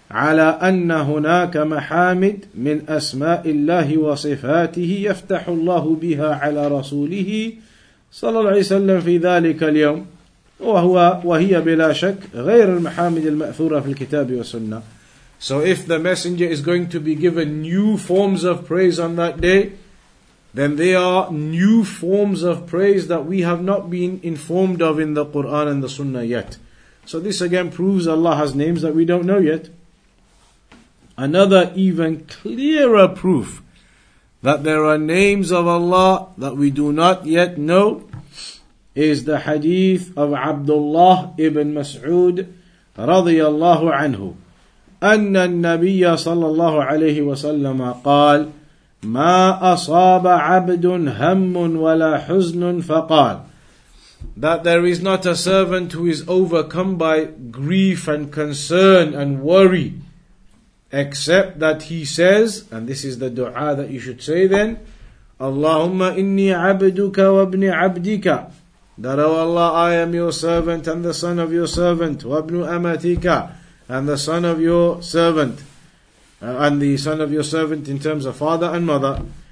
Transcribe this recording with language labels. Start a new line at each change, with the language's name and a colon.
Arabic: عَلَىٰ أَنَّ هُنَاكَ مَحَامِدْ مِنْ أَسْمَاءِ اللَّهِ وَصِفَاتِهِ يَفْتَحُ اللَّهُ بِهَا عَلَىٰ رَسُولِهِ صلى الله عليه وسلم في ذلك اليوم وهو وهي بلا شك غير المحامد المأثورة في الكتاب والسنة.
English: So if the messenger is going to be given new forms of praise on that day, then they are new forms of praise that we have not been informed of in the Quran and the Sunnah yet. So this again proves Allah has names that we don't know yet. Another even clearer proof that there are names of Allah that we do not yet know is the hadith of Abdullah ibn Mas'ud radiyallahu anhu.
Arabic: أن النبي صلى الله عليه وسلم قال ما أصاب عبد هم ولا حزن فقال.
English: That there is not a servant who is overcome by grief and concern and worry, except that he says, and this is the dua that you should say then,
Arabic: Allahumma inni abduka wa ibn abdika.
English: That, O Allah, I am your servant and the son of your servant,
Arabic: wa ibn amatika,
English: and the son of your servant, and the son of your servant in terms of father and mother.